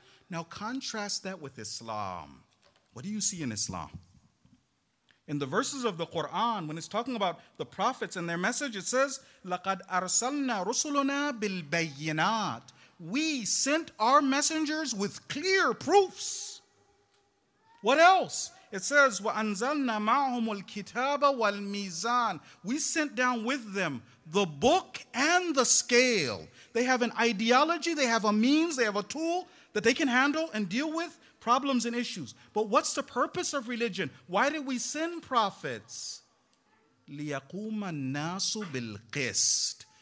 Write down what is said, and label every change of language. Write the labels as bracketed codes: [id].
[en] Now contrast that with Islam. What do you see in Islam? In the verses of the Quran, when it's talking about the prophets and their message, it says, [ar] لَقَدْ أَرْسَلْنَا رُسُلُنَا بِالْبَيِّنَاتِ. [en] We sent our messengers with clear proofs. What else? It says, [ar] وَأَنْزَلْنَا مَعْهُمُ الْكِتَابَ وَالْمِيزَانِ. [en] We sent down with them the book and the scale. They have an ideology, they have a means, they have a tool that they can handle and deal with problems and issues. But what's the purpose of religion? Why did we send prophets? [ar] لِيَقُومَ النَّاسُ بِالْقِسْتِ.